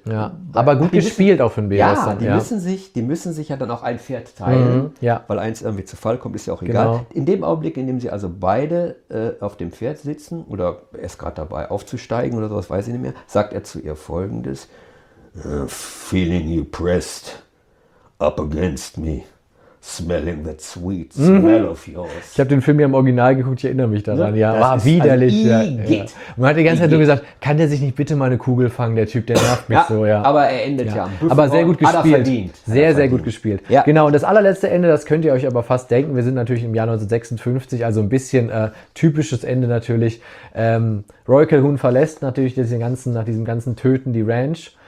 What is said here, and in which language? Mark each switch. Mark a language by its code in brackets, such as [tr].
[de] Ja, aber gut gespielt auch für den B-Western. Ja, die müssen sich ja dann auch ein Pferd teilen, weil eins irgendwie zu Fall kommt, ist ja auch egal. Genau. In dem Augenblick, in dem sie also beide auf dem Pferd sitzen oder erst gerade dabei aufzusteigen oder sowas, weiß ich nicht mehr, sagt er zu ihr Folgendes. [en] Feeling you pressed up against me, smelling that sweet smell of yours. [de] Ich habe den Film ja im Original geguckt, ich erinnere mich daran. Ja, war widerlich. Man hat die ganze Zeit nur gesagt, kann der sich nicht bitte mal eine Kugel fangen, der Typ, der nervt mich so. Ja. Aber er endet ja. Aber sehr gut gespielt. Hat er verdient. Sehr gut gespielt. Ja. Genau, und das allerletzte Ende, das könnt ihr euch aber fast denken, wir sind natürlich im Jahr 1956, also ein bisschen typisches Ende natürlich. Roy Calhoun verlässt natürlich nach diesem ganzen Töten die Ranch.